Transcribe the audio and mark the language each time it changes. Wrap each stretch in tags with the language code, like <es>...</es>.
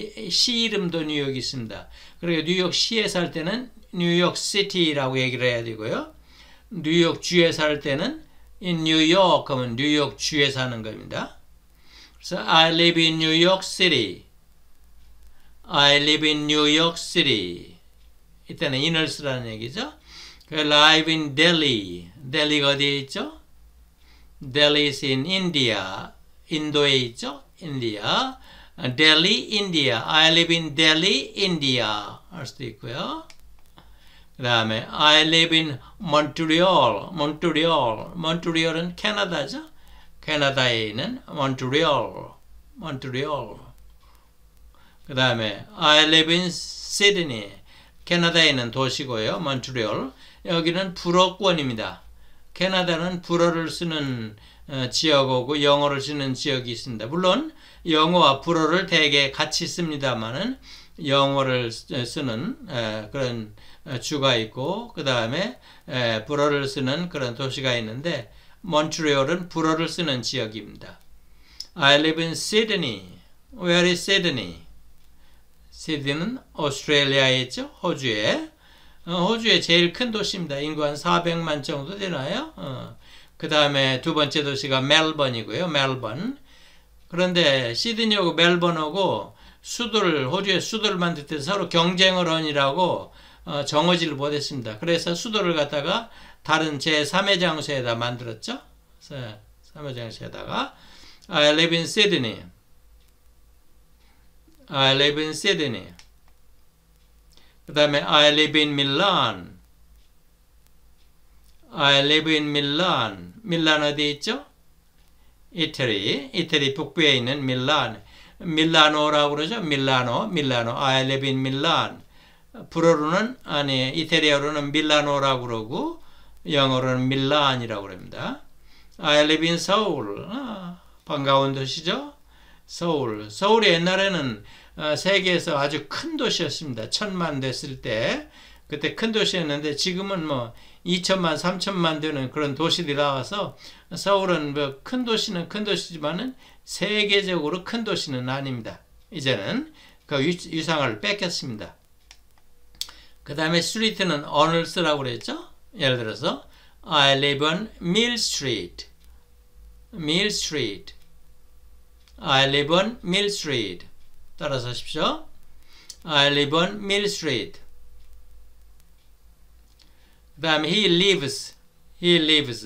<ko>시 이름도 뉴욕이 있습니다. 그리고 뉴욕시에 살 때는 뉴욕시티라고 얘기를 해야 되고요. 뉴욕주에 살 때는 in 뉴욕 하면 뉴욕주에 사는 겁니다. 그래서</ko> <en>I live in 뉴욕시티. I live in New York City.</en> <ko>이때는 in을 쓰라는 얘기죠. 그</ko> <en>live in Delhi.</en> <ko>Delhi가 어디에 있죠?</ko> <en>Delhi is in India.</en> <ko>인도에 있죠?</ko> <en>India. Delhi, India. I live in Delhi, India.</en> <ko>할 수도 있고요. 그 다음에</ko> <en>I live in Montreal. Montreal.</en> <ko>Montreal은 캐나다죠? 캐나다에 있는 Montreal.</ko> <en>Montreal.</en> <ko>그 다음에</ko> <en>I live in Sydney.</en> <ko>캐나다에는 도시고요. Montreal. 여기는 불어권입니다. 캐나다는 불어를 쓰는 지역하고 영어를 쓰는 지역이 있습니다. 물론 영어와 불어를 대개 같이 씁니다만은 영어를 쓰는 그런 주가 있고 그 다음에 불어를 쓰는 그런 도시가 있는데 몬트리올은 불어를 쓰는 지역입니다.</ko> <en>I live in Sydney. Where is Sydney?</en> <ko>시드니는 오스트레일리아에 있죠? 호주에. 호주에 제일 큰 도시입니다. 인구 한 400만 정도 되나요? 그 다음에 두 번째 도시가 멜번이고요. 멜번. 그런데 시드니하고 멜번하고 수도를 호주의 수도를 만들 때 서로 경쟁을 원이라고 정해지를 못했습니다. 그래서 수도를 갖다가 다른 제3의 장소에다 만들었죠. 3의 장소에다가</ko> <en>I live in Sydney. I live in Sydney.</en> <ko>그 다음에</ko> <en>I live in Milan. I live in Milan.</en> <ko>밀란 어디 있죠? 이태리. 이태리 북부에 있는 밀란. 밀라노라고 그러죠? 밀라노. 밀라노.</ko> <en>I live in Milan.</en> <ko>불어로는, 아니, 이태리어로는 밀라노라고 그러고, 영어로는 밀란이라고 그럽니다.</ko> <en>I live in Seoul.</en> <ko>반가운 도시죠? 서울. 서울이 옛날에는 세계에서 아주 큰 도시였습니다. 천만 됐을 때. 그때 큰 도시였는데 지금은 뭐 2천만, 3천만 되는 그런 도시들이 나와서 서울은 뭐큰 도시는 큰 도시지만은 세계적으로 큰 도시는 아닙니다. 이제는 그 위상을 뺏겼습니다. 그 다음에 스트리트는 언을 쓰라고 그랬죠? 예를 들어서</ko> <en>I live on Mill Street. Mill Street. I live on Mill Street.</en> <ko>따라서 하십시오.</ko> <en>I live on Mill Street. 다음 he lives, he lives.</en>